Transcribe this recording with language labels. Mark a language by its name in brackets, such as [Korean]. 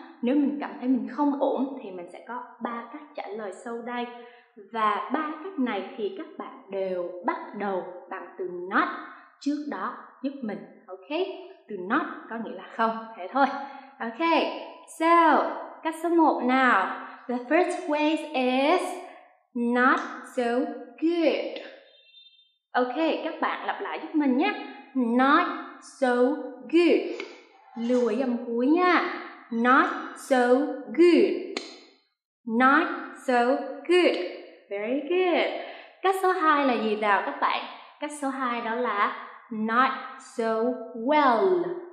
[Vietnamese] Nếu mình cảm thấy mình không ổn thì mình sẽ có 3 cách trả lời sau đây. Và 3 cách này thì các bạn đều bắt đầu bằng từ not trước đó giúp mình, ok? Từ not có nghĩa là không, thế thôi. Ok, so, cách số 1 nào. [English] The first way is not so good. [Vietnamese] Ok, các bạn lặp lại giúp mình nhé. [English] Not so good. [Vietnamese] Lưu ý âm cuối nha. [English] Not so good. Not so good. Very good. [Vietnamese] Cách số 2 là gì nào các bạn? Cách số 2 đó là [English] not so well.